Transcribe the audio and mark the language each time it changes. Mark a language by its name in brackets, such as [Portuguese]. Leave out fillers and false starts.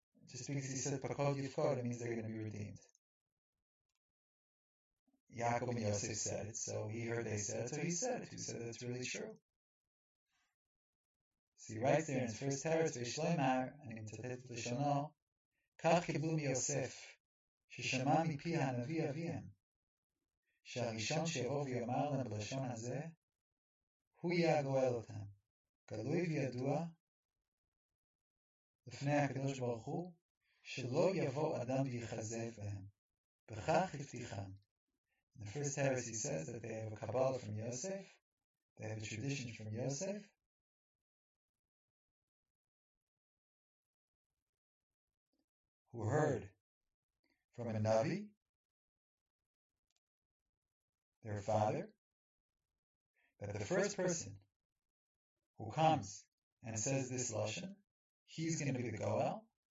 [English] Just because he said [Hebrew] Pakol Yivkod, [English] it means they're going to be redeemed. Yaakov and Yosef said it, so he heard they said it, so he said it. Who said that it's really true? See, right there in his first heritage, Vishlemar, and in Tatet Lishono, [Hebrew] Kach Kiblum Yosef. ששמע מפי הנביא אביהם, שהראשון שיבוא ויאמר להם בלשון הזה, הוא יהיה הגואל אותם. גלוי וידוע לפני הקדוש ברוך הוא, שלא יבוא אדם ויחזב בהם. בכך הבטיחם. [English] The first heresy says that they have a Kabbalah from Yosef, they have a tradition from Yosef, who heard from a Navi, their father, that the first person who comes and says this Lashon, he's going to be the Goel.